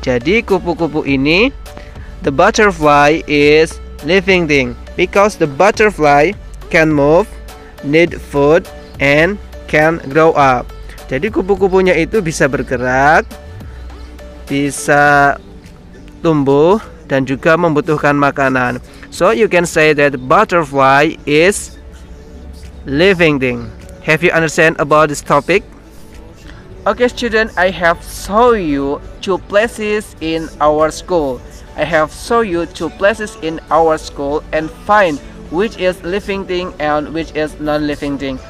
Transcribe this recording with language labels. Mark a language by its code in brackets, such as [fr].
[id] Jadi kupu-kupu ini, [en] the butterfly is living thing because the butterfly can move, need food, and can grow up. [id] Jadi kupu-kupunya itu bisa bergerak, bisa tumbuh, dan juga membutuhkan makanan. [en] So you can say that butterfly is living thing. Have you understand about this topic? Okay, student, I have show you two places in our school. I have show you two places in our school and find which is living thing and which is non-living thing.